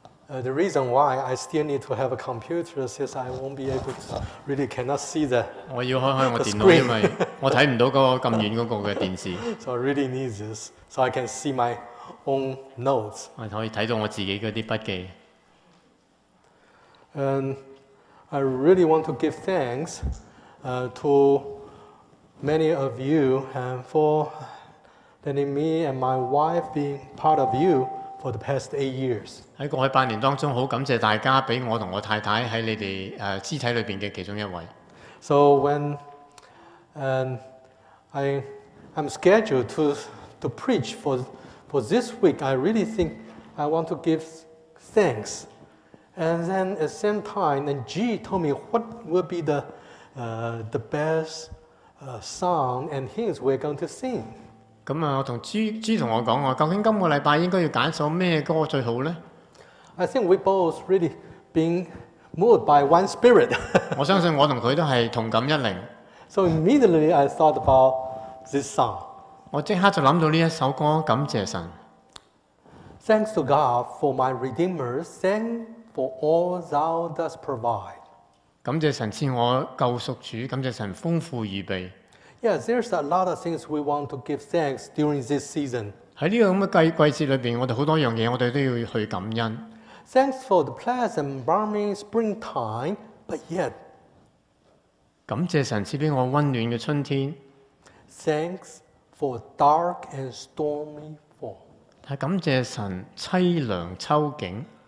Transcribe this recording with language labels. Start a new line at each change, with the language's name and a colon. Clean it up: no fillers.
English: The reason why I still need to have a computer is because I won't be able to really cannot see the screen.
Cantonese: 我要開開我電腦，因為我睇唔到嗰個咁遠嗰個嘅電視。
English: So I really need this, so I can see my own notes.
Cantonese: 我可以睇到我自己嗰啲筆記。
English: I really want to give thanks to many of you and for letting me and my wife be part of you for the past 8 years.
Cantonese: 在過去八年當中，好感謝大家俾我同我太太喺你哋肢體裏邊嘅其中一位。
English: So when I'm scheduled to preach for this week, I really think I want to give thanks. And then at the same time, then G told me what will be the best song and hymns we're going to sing.
Cantonese: 咁啊，我同 G 同我講話，究竟今個禮拜應該要揀首咩歌最好咧
English: ？I think we both really being moved by one spirit.
Cantonese: 我相信我同佢都係同感一靈。
English: So immediately I thought about this song.
Cantonese: 我即刻就諗到呢一首歌，感謝神。
English: Thanks to God for my redeemer, thank. For all thou dost provide.
Cantonese: 感謝神賜我救贖主，感謝神豐富預備。
English: Yeah, there's a lot of things we want to give thanks during this season.
Cantonese: 喺呢個咁嘅季節裏邊，我哋好多樣嘢，我哋都要去感恩。
English: Thanks for the pleasant, balmy springtime, but yet.
Cantonese: 感謝神賜俾我温暖嘅春天。
English: Thanks for dark and stormy fall.
Cantonese: 係感謝神淒涼秋景。